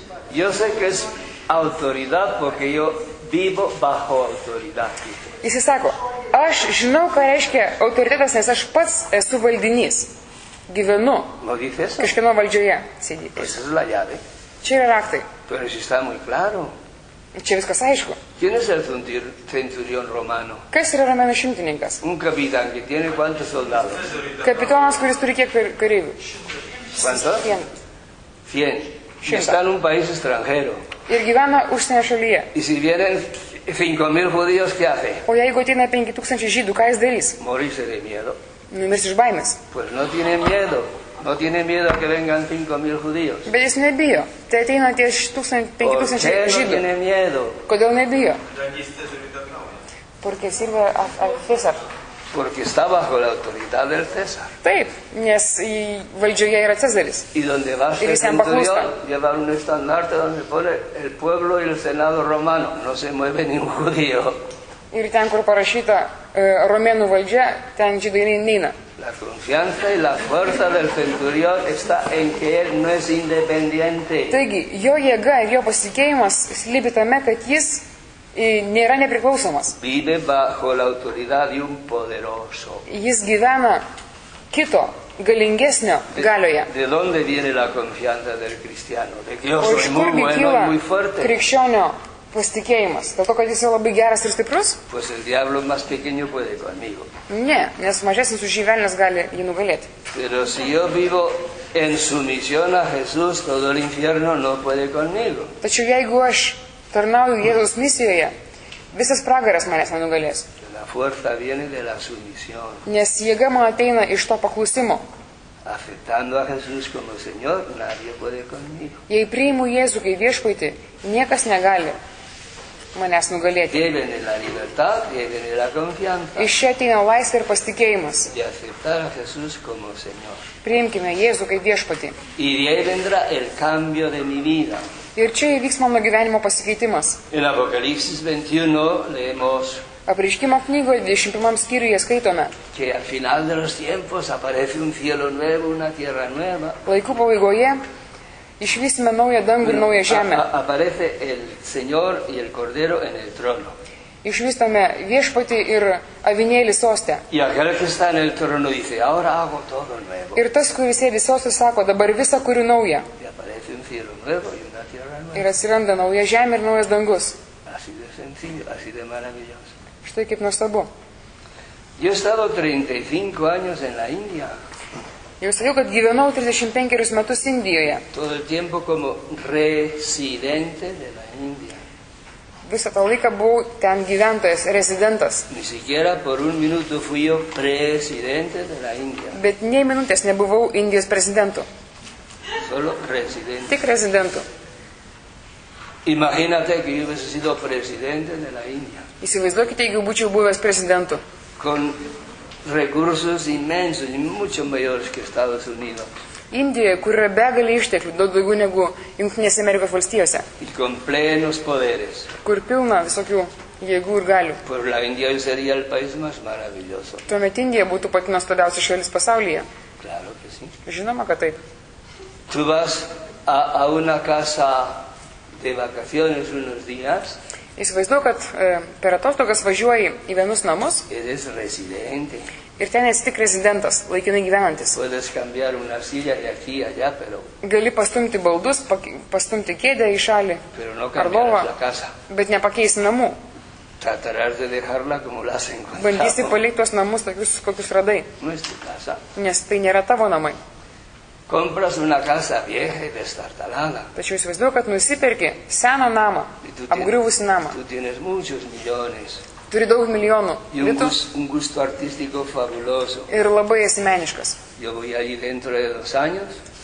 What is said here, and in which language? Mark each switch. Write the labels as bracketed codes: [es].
[es] que yo sé que es autoridad porque yo vivo bajo autoridad, dice. [lt] Jis sako, aš žinau, ką reiškia autoritetas, nes aš pats esu valdinys. Gyvenu kažkieno valdžioje sėdytis. [es] Es la llave. [lt] Čia yra raktai. [es] Pero si está muy claro. [lt] Čia viskas aišku. [es] ¿Quién es el centurión romano? [lt] Kas yra romėnų šimtininkas? [es] Un capitán que tiene cuántos soldados. [lt] Kapitonas, kuris turi kiek kareivių. [es] ¿Cuánto? 100. Y está en un país extranjero. [lt] Ir gyvena užsienio šalyje. [es] Y si vienen... 5.000 judíos, ¿qué hace? [lt] O jeigu atina 5.000 žydų, ką jis darys? [es] Morirse de miedo. [lt] Numirs iš baimės. [es] Pues no tiene miedo. No tiene miedo que vengan 5.000 judíos. [lt] Bet jis nebijo. Tai ateina tie 5.000 žydų. [es] ¿Por qué no tiene miedo? [lt] Kodėl nebijo? [es] Porque sirve a César. Porque está bajo la autoridad del César. [lt] Taip, nes valdžioje yra Cezaris. [es] Y donde va ser centurión, lleva un estandarte donde pone el pueblo y el senado romano. No se mueve ningún judío. [lt] Ir ten, kur parašyta romėnų valdžia, ten žydai neina. [es] La confianza y la fuerza del centurión está en que él no es independiente. [lt] Taigi, jo jėga ir jo pasitikėjimas slypi tame, kad jis nėra nepriklausomas. [es] Vive bajo la autoridad de un poderoso. [lt] Jis gyvena kito, galingesnio galioje. [es] De dónde viene la confianza del cristiano? De que yo soy muy bueno y muy fuerte. [lt] Krikščionio pasitikėjimas, dėl to, kad jis labai geras ir stiprus? [es] Pues el diablo más pequeño puede conmigo. [lt] Ne, nes mažesnis už jį velnis gali jį nugalėti. [es] Pero si yo vivo en sumisión a Jesús, todo el infierno no puede conmigo. [lt] Tačiau jeigu aš tarnauju Jėzaus misijoje, visas pragaras manęs nenugalės. [es] La fuerza viene de la sumisión. [lt] Nes jėga man ateina iš to paklusimo. [es] Aceptando a Jesús como Señor, nadie puede conmigo. [lt] Jei priimu Jėzų kaip viešpatį, niekas negali manęs nugalėti. [es] Viene la libertad, viene la confianza. [lt] Iš čia ateina laisvė ir pasitikėjimas. [es] De aceptar a Jesús como Señor. [lt] Priimkime Jėzų kaip viešpatį. [es] Y de ahí vendrá el cambio de mi vida. [lt] Ir čia įvyks mano gyvenimo pasikeitimas. [es] En Apocalipsis 21 leemos. [lt] Apreiškimo knygoje 21 skyriuje skaitome. [es] Que al final de los tiempos aparece un cielo nuevo, una tierra nueva. [lt] Laikų pabaigoje išvysime naują dangų ir naują žemę. [es] Aparece el Señor y el Cordero en el trono. [lt] Išvystame viešpatį ir avinėlį soste. [es] Y aquel que está en el trono dice, ahora hago todo nuevo. [lt] Ir tas, kuris sėdi soste, sako, dabar visą kuriu naują. [es] Y aparece un cielo nuevo y una tierra nueva. [lt] Ir atsiranda nauja žemė ir naujas dangus. [es] Así de sencillo, así de maravilloso. [lt] Štai kaip nuostabu. [es] Yo he estado 35 años en la India. [lt] Jau sakiau, kad gyvenau 35 metus Indijoje. [es] Todo el tiempo como residente de la India. [lt] Visą tą laiką buvau ten gyventojas, rezidentas. [es] Ni siquiera por un minuto fui yo presidente de la India. [lt] Bet nei minutės nebuvau Indijos prezidentu. [es] Solo residente. [lt] Tik rezidentu. [es] Imagínate que yo hubiese sido presidente de la India. [lt] Įsivaizduokite, jeigu būčiau buvęs prezidentu. [es] Con recursos inmensos y mucho mayores que Estados Unidos. [lt] Indijoje, kur yra begalė išteklių, daugiau negu Jungtinės Amerikos valstijose. [es] Y con plenos poderes. [lt] Kur pilna visokių jėgų ir galių. [es] Por la India sería el país más maravilloso. [lt] Tuomet Indija būtų pati nuostabiausia šalis pasaulyje. [es] Claro que sí. [lt] Žinoma, kad taip. [es] Tu vas a una casa de vacaciones unos días. [lt] Įsivaizduoju, kad per atostogas važiuoji į vienus namus. [es] Eres residente. [lt] Ir ten esi tik rezidentas, laikinai gyvenantis. [es] Puedes cambiar una silla de aquí allá, pero. [lt] Gali pastumti baldus, pastumti kėdę į šalį. [es] Pero no cambiarás la casa. [lt] Bet nepakeisi namų. [es] Tratarás de dejarla como la has encontrado. [lt] Bandysi palikti tuos namus tokius, kokius radai. [es] No es tu casa. [lt] Nes tai nėra tavo namai. [es] Compras una casa vieja y destartalada. [lt] Tačiau įsivaizduoju, kad nusiperki seną namą, apgriuvusį namą. [es] Tu tienes muchos millones. [lt] Turi daug milijonų. [es] Y un gusto artístico fabuloso. [lt] Ir labai asmeniškas. [es] Yo voy allí dentro de dos años.